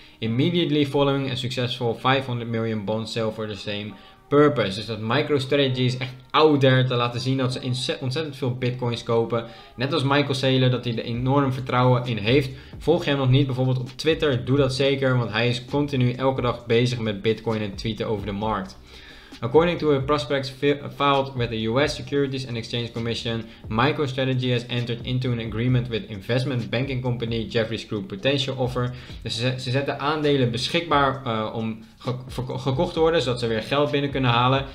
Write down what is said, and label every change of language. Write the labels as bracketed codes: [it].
[en] Immediately following a successful 500 million bond sale for the same purpose. [nl] Dus dat MicroStrategy is echt out there te laten zien dat ze ontzettend veel bitcoins kopen. Net als Michael Saylor, dat hij er enorm vertrouwen in heeft. Volg je hem nog niet bijvoorbeeld op Twitter? Doe dat zeker, want hij is continu elke dag bezig met bitcoin en tweeten over de markt. [en] According to a prospect filed with the US Securities and Exchange Commission, MicroStrategy has entered into an agreement with investment banking company Jefferies Group Potential Offer. [nl] Dus ze zetten aandelen beschikbaar om gekocht te worden, zodat ze weer geld binnen kunnen halen.